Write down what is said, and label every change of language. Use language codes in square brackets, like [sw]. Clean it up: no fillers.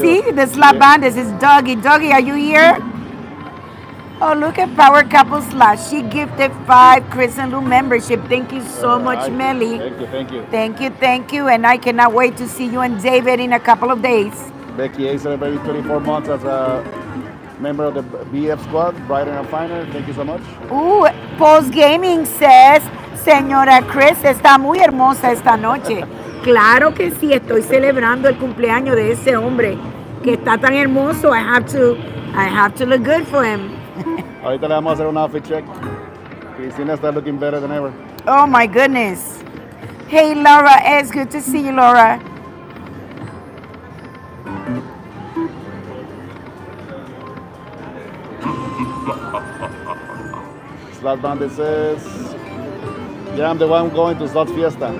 [en] See, the Slap Bandits is Doggy. Doggy, are you here? Oh, look at Power Couple Slash. She gifted 5 ChrisAndLu membership. Thank you so much, Melly. Thank you. And I cannot wait to see you and David in a couple of days. Becky A celebrating 24 months as a member of the BF squad, brighter and finer. Thank you so much. Ooh, Post Gaming says, [es] Señora Chris, está muy hermosa esta noche. Claro que sí, estoy celebrando el cumpleaños de ese hombre que está tan hermoso. [en] I have to look good for him. [es] Ahorita le vamos a hacer un [en] outfit check. Cristina [es] está [en] looking better than ever. Oh my goodness. Hey, Laura, it's good to see you, Laura. Slot Bandit says, yeah, I'm the one going to Slot Fiesta.